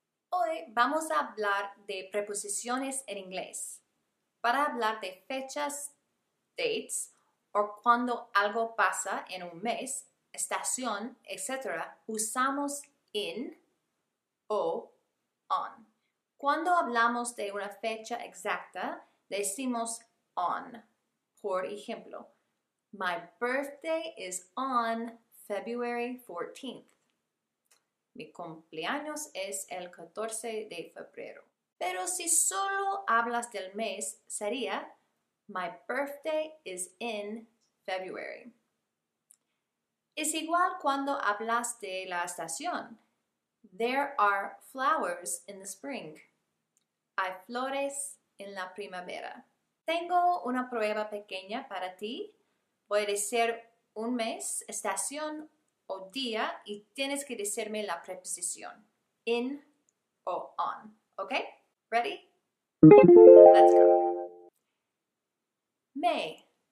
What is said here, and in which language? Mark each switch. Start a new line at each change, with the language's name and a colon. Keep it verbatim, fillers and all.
Spanish: Hoy vamos a hablar de preposiciones en inglés para hablar de fechas, dates, o cuando algo pasa en un mes, estación, etcétera. Usamos in o on. Cuando hablamos de una fecha exacta, decimos on. Por ejemplo,
English: my birthday is on February fourteenth.
Spanish: Mi cumpleaños es el catorce de febrero. Pero si solo hablas del mes, sería
English: my birthday is in February.
Spanish: Es igual cuando hablas de la estación.
English: There are flowers in the spring.
Spanish: Hay flores en la primavera. Tengo una prueba pequeña para ti. Voy a decir un mes, estación o día y tienes que decirme la preposición in o on.
English: ¿Ok? ¿Ready? Let's go. May.